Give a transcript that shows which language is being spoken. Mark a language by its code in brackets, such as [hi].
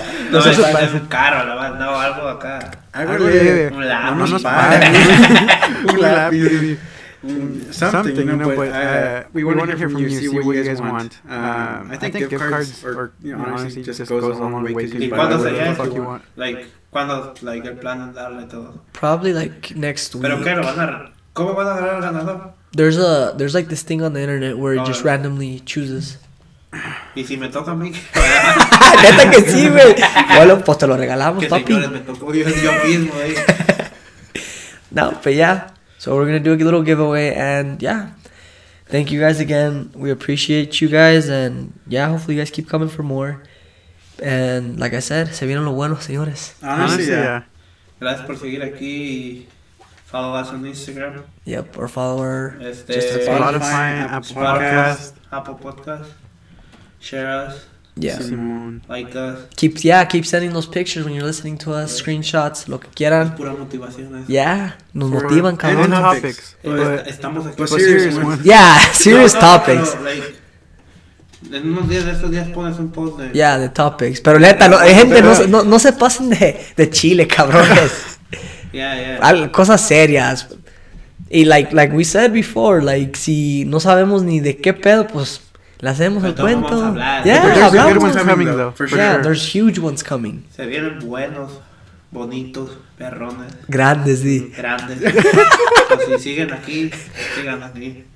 [es] No, eso es caro, no, algo acá. Algo de un lápiz. Un lápiz. [en] Something, you know, but we want to hear from you, see what you guys want. I think gift cards or, you know, honestly, just goes a long way to buy whatever the fuck you want. [es] Like, cuando, like, el plan de darle todo? [en] Probably, like, next week. [es] Pero que lo van a, ¿cómo van a ganar el ganador? [en] There's like, this thing on the internet where it just randomly chooses. [es] ¿Y si me toca a mí? Neta que sí, güey. Bueno, pues te lo regalamos, papi. Que señores, me tocó yo mismo, No, pero ya. [en] So we're going to do a little giveaway, and yeah, thank you guys again. We appreciate you guys, and yeah, hopefully you guys keep coming for more. And like I said, [es] se vienen los buenos, señores. [en] Honestly, yeah. [es] Gracias por seguir aquí y [en] follow us on Instagram. Yep, or follow our Spotify, Apple Podcast. Apple Podcast. Share us. Yeah. [es] Simón. [en] Like us. Keep sending those pictures when you're listening to us, screenshots, [es] lo que quieran. Es pura motivación. Yeah. Nos motivan, cabrón. [en] Topics. [es] Estamos aquí. [en] Serious ones. Yeah, serious topics. [es] Pero, en unos días de estos días pones un post de. [en] Yeah, the topics. [es] Pero neta, gente, no se pasen de chile, cabrones. [en] Yeah. [es] Cosas serias. Y [en] like we said before, like, [es] si no sabemos ni de qué pedo, pues. Le hacemos el cuento. Yeah, [en] there's some good ones coming, though. Yeah, sure. There's huge ones coming. [es] Se vienen buenos, bonitos, perrones. Grandes, sí. Grandes. Pues si siguen aquí, sigan aquí.